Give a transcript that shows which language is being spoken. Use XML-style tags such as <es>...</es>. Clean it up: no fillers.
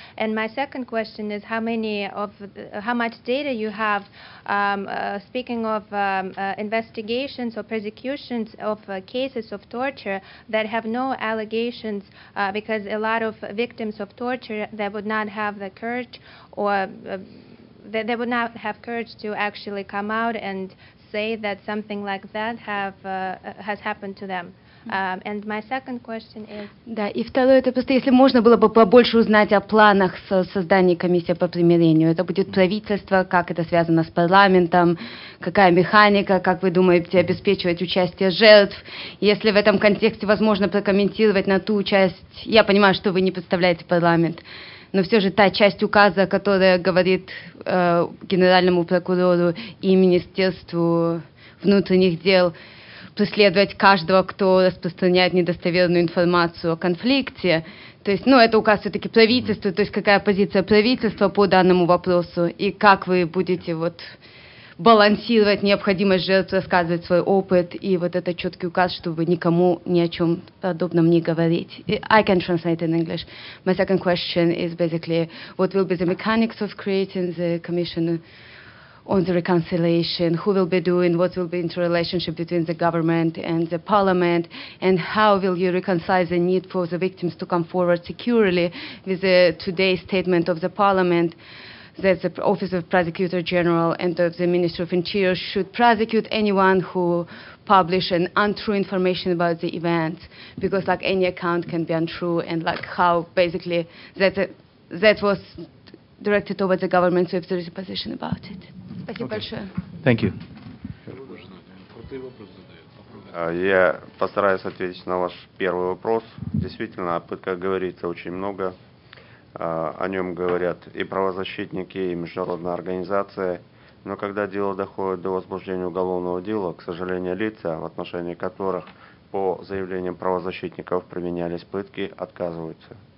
<en>And my second question is how much data you have, speaking of investigations or prosecutions of cases of torture that have no allegations, because a lot of victims of torture that would not have the courage or they would not have courage to actually come out and say that something like that has happened to them. And my second question is...</en> <ru>Да, и второе, это просто, если можно было бы побольше узнать о планах создания комиссии по примирению. Это будет правительство, как это связано с парламентом, какая механика, как вы думаете обеспечивать участие жертв. Если в этом контексте возможно прокомментировать на ту часть, я понимаю, что вы не представляете парламент, но все же та часть указа, которая говорит генеральному прокурору и Министерству внутренних дел... преследовать каждого, кто распространяет недостоверную информацию о конфликте. То есть, ну, это указ все-таки правительства, то есть какая позиция правительства по данному вопросу, и как вы будете вот балансировать необходимость жертв рассказывать свой опыт и вот этот четкий указ, чтобы никому ни о чем подобном не говорить.</ru> <en>I can translate in English. My second question is basically, what will be the mechanics of creating the commission on the reconciliation, who will be doing, what will be the relationship between the government and the parliament, and how will you reconcile the need for the victims to come forward securely with the today's statement of the parliament that the Office of Prosecutor General and of the Minister of Interior should prosecute anyone who publish an untrue information about the events, because like any account can be untrue, and like how basically that was directed towards the government, so if there is a position about it. Thank you.</en> <ru>Я постараюсь ответить на ваш первый вопрос. Действительно, о пытках говорится очень много. О нем говорят и правозащитники, и международные организации. Но когда дело доходит до возбуждения уголовного дела, к сожалению, лица, в отношении которых по заявлениям правозащитников применялись пытки, отказываются.</ru>